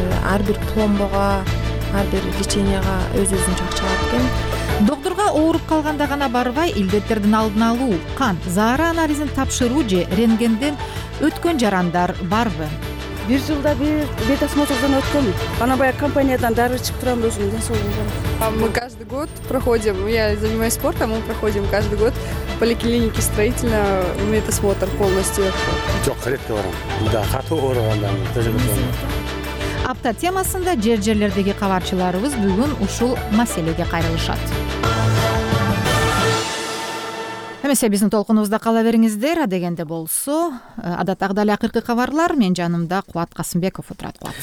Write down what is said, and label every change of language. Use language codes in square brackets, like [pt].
[ky] Ар бир пломбага, ар бир леченияга өз-өзүн чакчалат экен. Доктурга ооруп калганда гана барбай, илдеттердин алдын алуу, кан, заара анализин тапшыруу же рентгенден өткөн жарандар барбы? Бир жылда бир осмотрдан өткөм. Ана баягы компаниядан дары ичип турам өзүмдүн ден соолугумду. [ru] Мы каждый год проходим, я занимаюсь спортом, мы проходим каждый год в поликлинике строительную медосмотр полностью. [ky] Жок, [ru] редко [ky] барам. Да, катуу ооруганда төзөбөм. Апта темасында жер-жерлердеги кабарчыларыбыз бүгүн ушул маселеге кайрылышат. Эмесе биздин толкунубузда кала бериңиздер, а дегенде болсо, адаттагы эле акыркы кабарлар, мен жанымда Кубат Касымбеков отурат.